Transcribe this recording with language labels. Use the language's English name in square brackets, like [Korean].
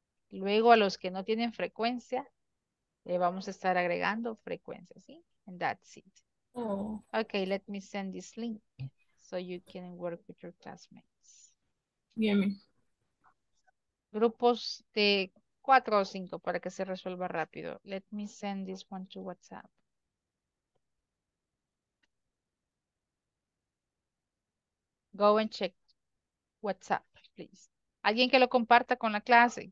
[Spanish] Luego a los que no tienen frecuencia, le vamos a estar agregando frecuencia, ¿sí? [English] And that's it. Oh. Okay, let me send this link so you can work with your classmates. Yeah, me. [Spanish] Grupos de 4 o 5 para que se resuelva rápido. [English] Let me send this one to WhatsApp. Go and check WhatsApp, please. [Spanish] Alguien que lo comparta con la clase.